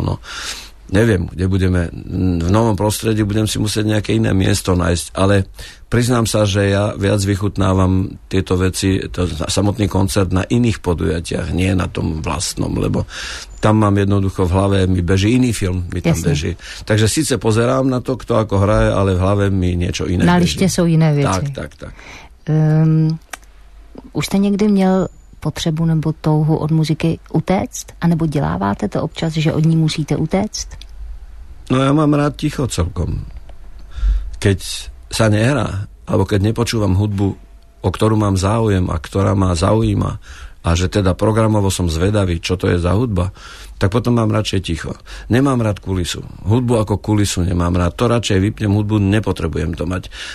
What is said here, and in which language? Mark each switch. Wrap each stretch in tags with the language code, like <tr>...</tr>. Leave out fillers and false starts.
<sk>No, neviem, kde budeme. V novom prostredí budem si musieť nejaké iné miesto nájsť, ale priznám sa, že ja viac vychutnávam tieto veci, to samotný koncert na iných podujatiach, nie na tom vlastnom, lebo tam mám jednoducho v hlave, mi beží iný film, mi tam Jasne. Beží. Takže síce pozerám na to, kto ako hraje, ale v hlave mi niečo iné na beží. Na lište sú iné veci. Tak.</sk> <cs>Už ste niekdy měl potřebu nebo touhu od muziky utéct? A nebo děláváte to občas, že od ní musíte utéct? No já mám rád ticho celkom.</cs> <sk>Keď sa nehrá, alebo keď nepočúvam hudbu, o ktorú mám záujem a ktorá ma zaujíma, a že teda programovo som zvedavý, čo to je za hudba, tak potom mám radšej ticho. Nemám rád kulisu. Hudbu ako kulisu nemám rád. To radšej vypnem hudbu, nepotrebujem to mať.</sk>